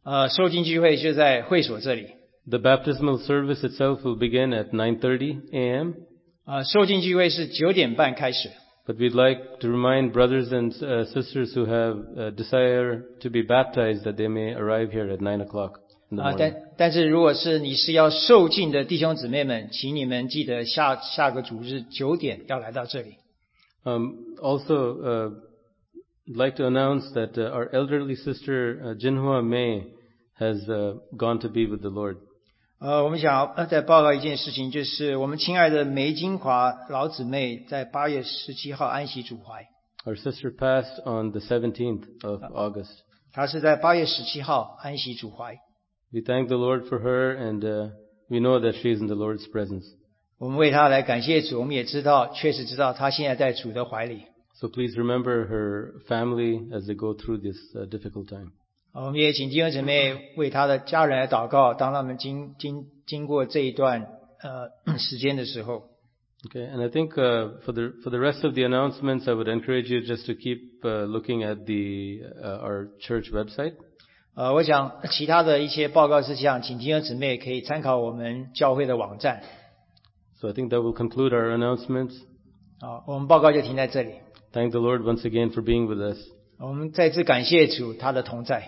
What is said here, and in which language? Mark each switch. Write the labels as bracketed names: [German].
[Chinese] 受浸聚会就在会所这里。 [English] The baptismal service itself will begin at 9:30 a.m. [Chinese] 受浸聚会是9:30开始。 [English] But we'd like to remind brothers and sisters who have a desire to be baptized that they may arrive here at 9 o'clock in the morning. [Chinese] 但是如果是你是要受浸的弟兄姊妹们，请你们记得下个主日9:00要来到这里。 [English] Also, I'd like to announce that our elderly sister Jinhua Mei has gone to be with the Lord. [Chinese] 我们想要再报告一件事情，就是我们亲爱的梅金华老姊妹在8月17号安息主怀。 [English] Our sister passed on the 17th of August. [Chinese] 她是在 8月 17号 安息主怀。 [English] We thank the Lord for her and we know that she is in the Lord's presence. [Chinese] 我们为她来感谢主, 我们也知道, 确实知道她现在在主的怀里。 [English] So please remember her family as they go through this difficult time. [Chinese] 我们也请弟兄姊妹为她的家人来祷告, 当他们经过这一段, 时间的时候。 [English] Okay, and I think for the rest of the announcements, I would encourage you just to keep looking at the our church website. [Chinese] 我想其他的一些报告事项，请弟兄姊妹可以参考我们教会的网站。 [English] So I think that will conclude our announcements. [Chinese] 好，我们报告就停在这里。 [English] Thank the Lord once again for being with us. [Chinese] 我们再次感谢主，他的同在。